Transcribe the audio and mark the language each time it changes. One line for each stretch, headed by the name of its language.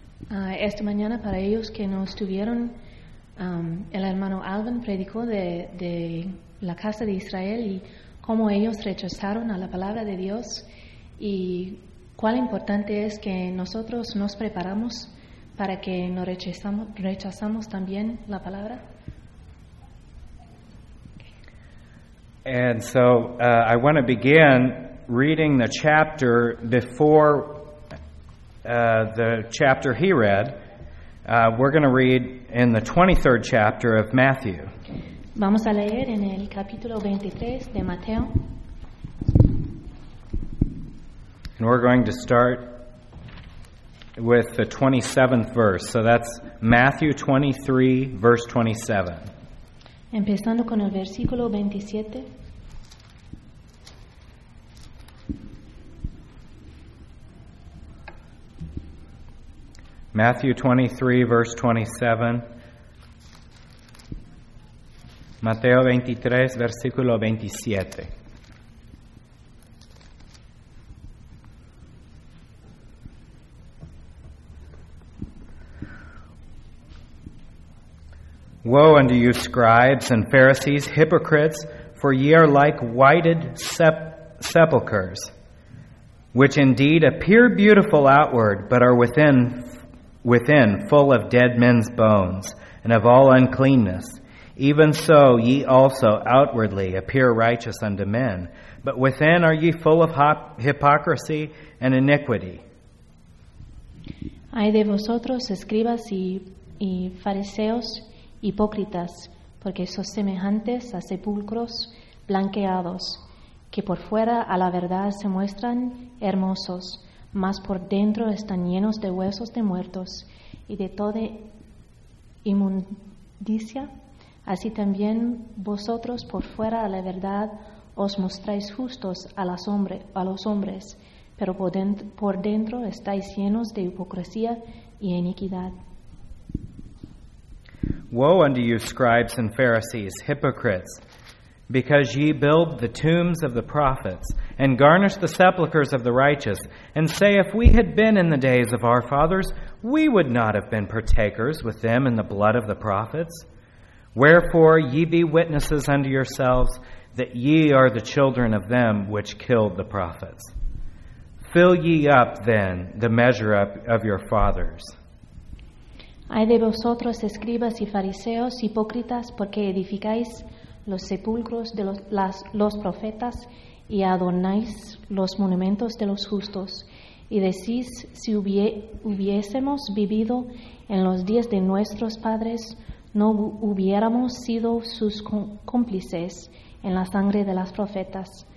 Spanish: Esta mañana, para ellos que no estuvieron, el hermano Alvin predicó de la casa de Israel y cómo ellos rechazaron a la palabra de Dios y cuán importante es que nosotros nos preparamos para que no rechazamos también la palabra.
English: And so I want to begin reading the chapter before the chapter he read. We're going to read in the 23rd chapter of Matthew.
Spanish: Vamos a leer en el capítulo 23 de Mateo.
English: And we're going to start with the 27th verse. So that's Matthew 23, verse 27.
Spanish: Empezando con el versículo 27.
English: Matthew 23, verse 27.
Spanish: Mateo 23, versículo 27.
English: Woe unto you, scribes and Pharisees, hypocrites, for ye are like whited sepulchres, which indeed appear beautiful outward, but are within full of dead men's bones and of all uncleanness. Even so ye also outwardly appear righteous unto men, but within are ye full of hypocrisy and iniquity.
Spanish: Ay de vosotros, escribas y fariseos, hipócritas, porque sois semejantes a sepulcros blanqueados, que por fuera a la verdad se muestran hermosos, mas por dentro están llenos de huesos de muertos y de toda inmundicia. Así también vosotros por fuera a la verdad os mostráis justos a los hombres, pero por dentro estáis llenos de hipocresía y iniquidad.
English: Woe unto you, scribes and Pharisees, hypocrites, because ye build the tombs of the prophets and garnish the sepulchres of the righteous, and say, if we had been in the days of our fathers, we would not have been partakers with them in the blood of the prophets. Wherefore ye be witnesses unto yourselves that ye are the children of them which killed the prophets. Fill ye up then the measure of your fathers.
Spanish: Ay de vosotros, escribas y fariseos, hipócritas, porque edificáis los sepulcros de los profetas y adornáis los monumentos de los justos. Y decís, si hubiésemos vivido en los días de nuestros padres, no hubiéramos sido sus cómplices en la sangre de las profetas.